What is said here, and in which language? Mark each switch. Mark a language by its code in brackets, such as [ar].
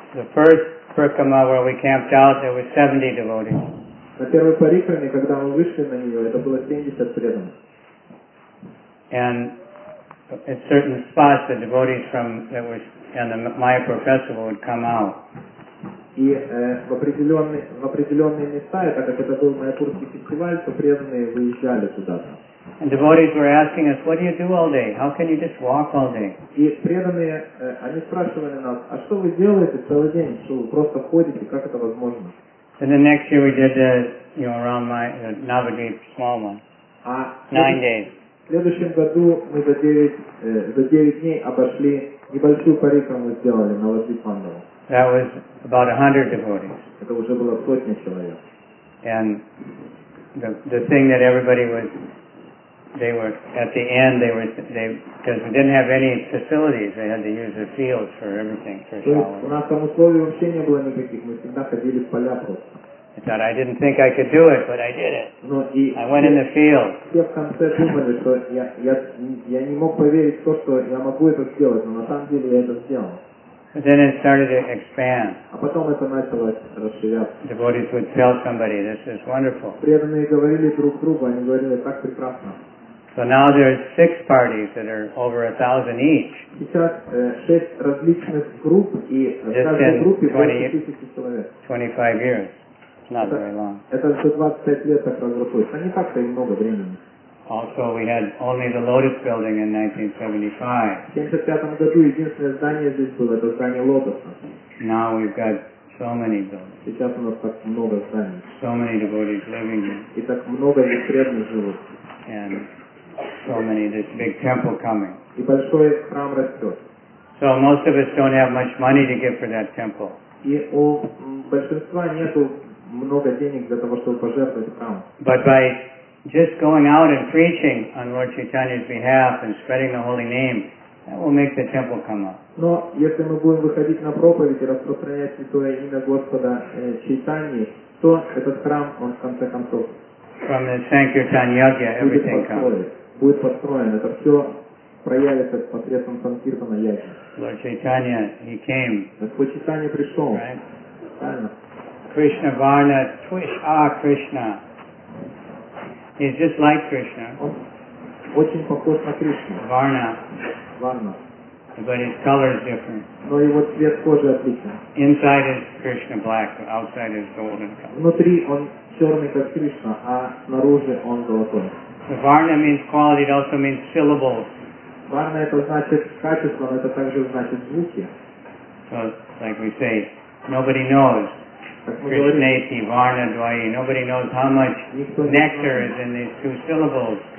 [en] The first парикрама, where we camped out, there was 70 devotees. [ru] На первой парикраме, когда мы вышли на нее, это было 70 преданных. [en] And at certain spots, the devotees from that was and the Mayapur festival would come out. [ru] И в определенные места, как это был Майяпурский фестиваль, то преданные выезжали туда. [en] And devotees were asking us, "What do you do all day? How can you just walk all day?" [ru] И преданные они спрашивали нас, а что вы делаете целый день, что вы просто ходите, как это возможно? [en] And the next year we did the around my Navadvip small one. 9 days. [ru] В следующем году мы за девять дней обошли небольшую парикраму сделали на Лавдипандово. [en] That was about 100 devotees. [ru] Это уже было сотня человек. [en] And the thing that everybody was, they were at the end, they because we didn't have any facilities, they had to use the fields for everything. For [ru] у нас там условий вообще не было никаких, мы всегда ходили в поля просто. [en] I thought I didn't think I could do it, but I did it. No, I went in the field. [ru] Все в конце думали, что я не мог поверить в то, что я могу это сделать, но на самом деле я это сделал. [en] But then it started to expand. [ru] А потом это начало расширяться. [en] Devotees would tell somebody, "This is wonderful." [ru] Преданные говорили друг другу, они говорили, так прекрасно. [en] So now there are 6 parties that are over 1,000 each. [ru] Сейчас 6 различных групп, и в каждой группе по 1000 человек. [en] 25 years. [ru] Это за 25 лет так разрослось. Но не так-то и много времени. [en] Also, we had only the Lotus building in 1975. [ru] В 1975 году единственное здание здесь было, это здание Лотоса. [en] Now we've got so many buildings. [ru] Сейчас у нас так много зданий. [en] So many devotees living here. [ru] И так много преданных живут. [en] And so many, this big temple coming. [ru] И большой храм растет. [en] So most of us don't have much money to give for that temple. [ru] И у большинства нету много денег для того, чтобы пожертвовать храм. [en] But by just going out and preaching on Lord Chaitanya's behalf and spreading the holy name, that will make the temple come up. [ru] Но если мы будем выходить на проповедь и распространять святое имя Господа Чайтаньи, то этот храм, он в конце концов [en] from the Sankirtan Yagya, everything comes. [ru] Будет построен. Это все проявится посредством Санкиртана Яги. [en] Lord Chaitanya, he came. [ru] Господь Чайтанья пришел. [sa] Right? Krishna Varna, Twish Ah Krishna. [en] He's just like Krishna. [ru] Очень похож на Кришну. [sa] Varna. Varna. [en] But his color is different. [ru] Но его цвет кожи отличен. [en] Inside is Krishna black, outside is golden color. [ru] Внутри он черный, как Кришна, а снаружи он золотой. [en] So Varna means quality, it also means syllables. [ru] Varna это значит качество, но это также значит звуки. [en] So, like we say, nobody knows. [sa] Krishnaiti, Varna, Dvayi. [en] Nobody knows how much nectar is in these two syllables,